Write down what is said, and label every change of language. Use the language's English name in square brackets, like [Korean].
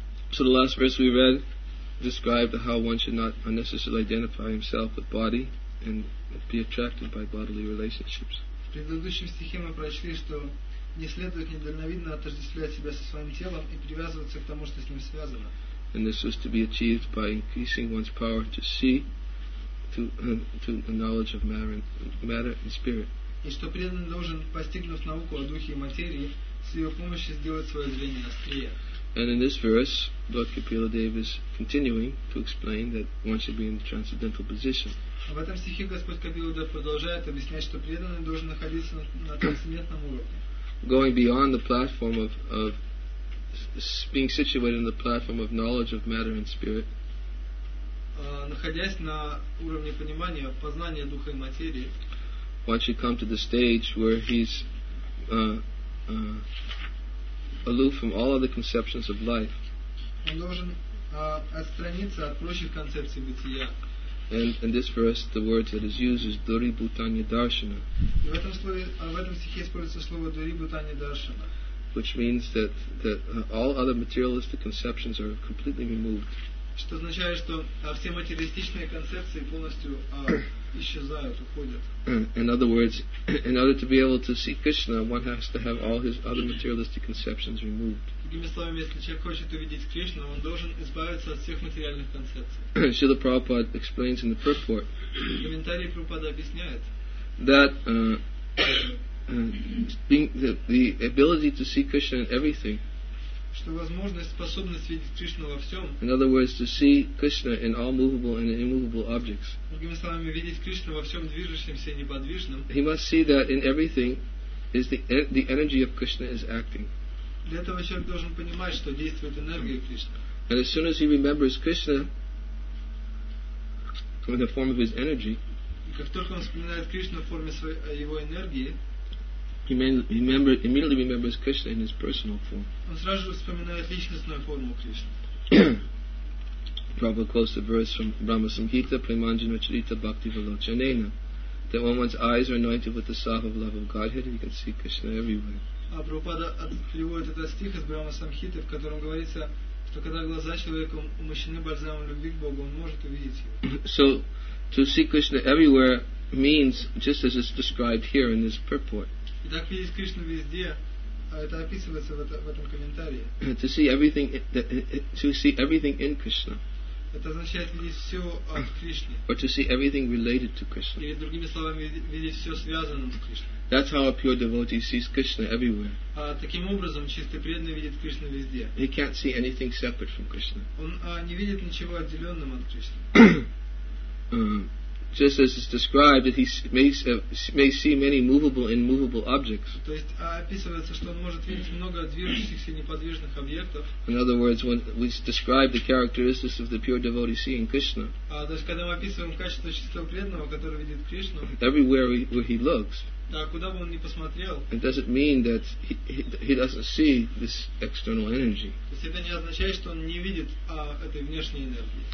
[English] So the last verse we read described how one should not unnecessarily identify himself with body and be attracted by bodily relationships. [Russian] В предыдущем стихе мы прочли, что не следует недальновидно отождествлять себя со своим телом и привязываться к тому, что с ним связано. [English] And this was to be achieved by increasing one's power to see to the knowledge of matter and spirit. [Russian] И что преданный должен, постигнув науку о духе и материи, с ее помощью сделать свое зрение острее. [English] And in this verse, Lord Kapila Dev is continuing to explain that one should be in a transcendental position. [Russian] В этом стихе Господь Капила Дев продолжает объяснять, что преданный должен находиться на трансцендентном уровне. [English] Going beyond the platform of being situated on the platform of knowledge of matter and spirit. [Russian] Находясь на уровне понимания, познания духа и материи. [English] One should come to the stage where he's aloof from all other conceptions of life. [Russian] Он должен отстраниться от прочих концепций бытия. [English] And in this verse, the word that is used is duri bhutanya darshana. [Russian] И в этом слове, в этом стихе используется слово duri bhutanya darshana, [English] which means that all other materialistic conceptions are completely removed. [Russian] Что означает, что все материалистичные концепции полностью исчезают, уходят. [English] In other words, in order to be able to see Krishna, one has to have all his other materialistic conceptions removed. [Russian] Другими словами, если человек хочет увидеть Кришну, он должен избавиться от всех материальных концепций. [English] Srila Prabhupada explains in the purport. [Russian] Комментарий Прабхупада объясняет. [English] That the ability to see Krishna in everything. [Russian] Что возможность, способность видеть Кришну во всем. [English] In other words, to see Krishna in all movable and immovable objects. [Russian] Другими словами, видеть Кришну во всем движущемся и неподвижном. [English] He must see that in everything is the energy of Krishna is acting. [Russian] Для этого человек должен понимать, что действует энергия Кришны. [English] And as soon as he remembers Krishna in the form of his energy. [Russian] И как только он вспоминает Кришну в форме его энергии. [English] Immediately remembers Krishna in his personal form. [Russian] Он сразу же вспоминает личностную форму Кришны. [English] Prabhupada quotes the verse from Brahma Samhita, Premanjana Charita Bhakti Valochanena, that when one's eyes are anointed with the salve of love of Godhead, he can see Krishna everywhere. [Russian] А Прабхупада приводит этот стих из Брахма Самхиты, в котором говорится, что когда глаза человека умощены бальзамом любви к Богу, он может увидеть его. [English] So, to see Krishna everywhere means just as it's described here in this purport. [Russian] Итак, видеть Кришну везде, это описывается в этом комментарии. [English] To see everything in Krishna. [Russian] Это означает видеть все в Кришне. [English] Or to see everything related to Krishna. [Russian] Или другими словами, видеть все связанным с Кришной. [English] That's how a pure devotee sees Krishna everywhere. [Russian] Таким образом, чистый преданный видит Кришну везде. [English] He can't see anything separate from Krishna. [Russian] Он не видит ничего отделенным от Кришны. [English] Just as it's described, that he may see many movable and immovable objects. [Russian] То есть описывается, что он может видеть много движущихся и неподвижных объектов. [English] In other words, when we describe the characteristics of the pure devotee seeing Krishna. [Russian] То есть когда мы описываем качество чистого преданного, который видит Кришну. [English] Everywhere where he looks. [Russian] Да, куда бы он ни посмотрел. [English] It doesn't mean that he doesn't see this external energy. [Russian] То есть это не означает, что он не видит этой внешней энергии.